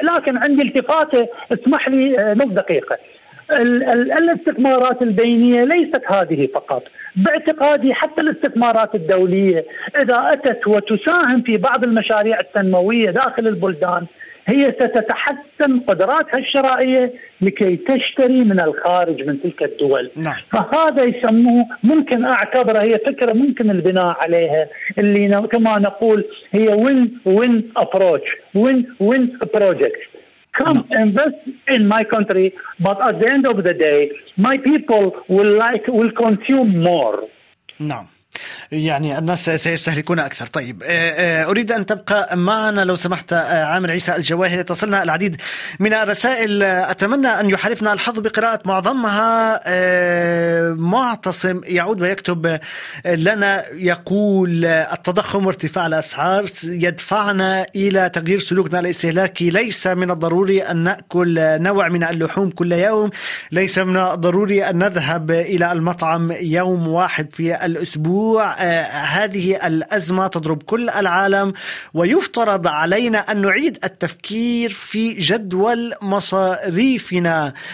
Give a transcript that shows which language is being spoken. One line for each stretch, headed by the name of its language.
Arabic: لكن عندي التفاتة، اسمح لي نص دقيقة، الاستثمارات البينية ليست هذه فقط، باعتقادي حتى الاستثمارات الدولية إذا أتت وتساهم في بعض المشاريع التنموية داخل البلدان هي ستتحسن قدراتها الشرائية لكي تشتري من الخارج من تلك الدول. نعم. فهذا يسموه ممكن أعتبره هي فكرة ممكن البناء عليها، اللي كما نقول هي
English: win-win approach، win-win project. Come invest in my country, but at the end of the day, my people will consume more.
Arabic: نعم. يعني الناس سيستهلكون أكثر. طيب أريد أن تبقى معنا لو سمحت عامر عيسى الجواهري، تصلنا العديد من الرسائل، أتمنى أن يحرفنا الحظ بقراءة معظمها. معتصم يعود ويكتب لنا يقول التضخم وارتفاع الأسعار يدفعنا إلى تغيير سلوكنا الاستهلاكي، ليس من الضروري أن نأكل نوع من اللحوم كل يوم، ليس من الضروري أن نذهب إلى المطعم يوم واحد في الأسبوع، هذه الأزمة تضرب كل العالم، ويفترض علينا أن نعيد التفكير في جدول مصاريفنا.